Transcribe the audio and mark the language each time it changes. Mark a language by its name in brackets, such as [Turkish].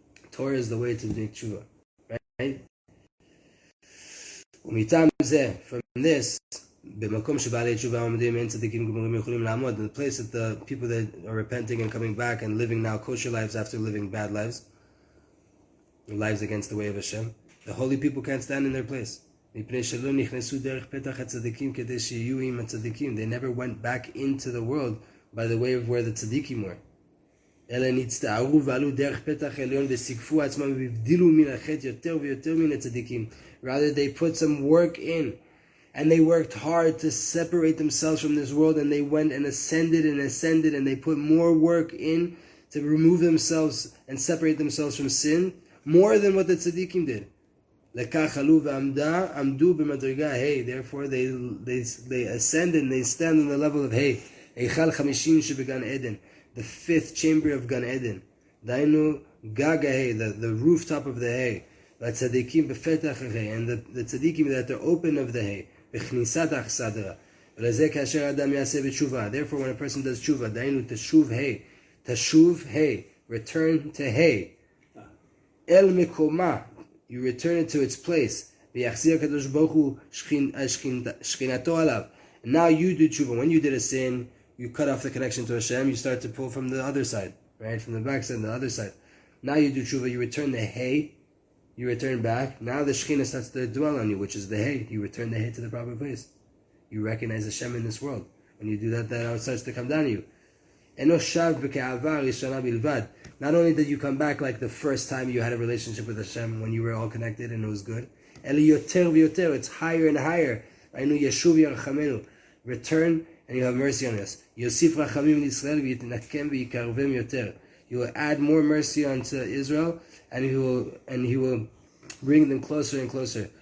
[English] Torah is the way to make tshuva, right? [Hebrew] ומטעם זה, [English] from this, [Hebrew] במקום שבעלי תשובה עומדים, אין צדיקים גמורים יכולים לעמוד, [English] in the place that the people that are repenting and coming back and living now kosher lives after living bad lives, lives against the way of Hashem, the holy people can't stand in their place. [Hebrew] מפני שלא נכנסו דרך פתח הצדיקים כדי שיהיו עם הצדיקים. [English] They never went back into the world by the way of where the צדיקים were. [Hebrew] אלא נצטערו ועלו דרך פתח עליון וסיקפו עצמם ובדילו מן החטא יותר ויותר מן הצדיקים. [English] Rather, they put some work in and they worked hard to separate themselves from this world, and they went and ascended and ascended, and they put more work in to remove themselves and separate themselves from sin, more than what the tzaddikim did. [Hebrew] לכך עלו ועמדו במדרגה hey, [English] therefore they ascend and they stand on the level of hey, [Hebrew] היכל חמישים שבגן עדן, [English] the fifth chamber of Gan Eden, [Hebrew] דיינו גג hey, [English] the rooftop of the hey, [Hebrew] והצדיקים בפתח hey, [English] and the tzaddikim that are open of the hey, [Hebrew] בכניסת האכסדרה, ולזה כאשר אדם יעשה בתשובה, [English] therefore when a person does תשובה, [Hebrew] דיינו תשוב hey, תשוב hey, [English] return to hey, [Hebrew] אל מקומה, [English] you return it to its place. [Hebrew] ויחזיר הקדוש ברוך הוא שכינתו עליו. [English] Now you do tshuva. When you did a sin, you cut off the connection to Hashem, you start to pull from the other side, right? From the back side, the other side. Now you do tshuva, you return the hay, you return back. Now the shechina starts to dwell on you, which is the hay. You return the hay to the proper place. You recognize Hashem in this world. When you do that, that now it starts to come down to you. [Hebrew] אינו שב בכאהבה ראשונה בלבד. [English] Not only did you come back like the first time you had a relationship with Hashem when you were all connected and it was good. [Hebrew] Eli yoter v'yoter, [English] it's higher and higher. [Hebrew] Ainu yeshuv yarachamenu, [English] return and you have mercy on us. [Hebrew] Yosif rachamim l'Israel v'yitnakem v'yikarvem yoter. [English] You will add more mercy unto Israel and he will bring them closer and closer.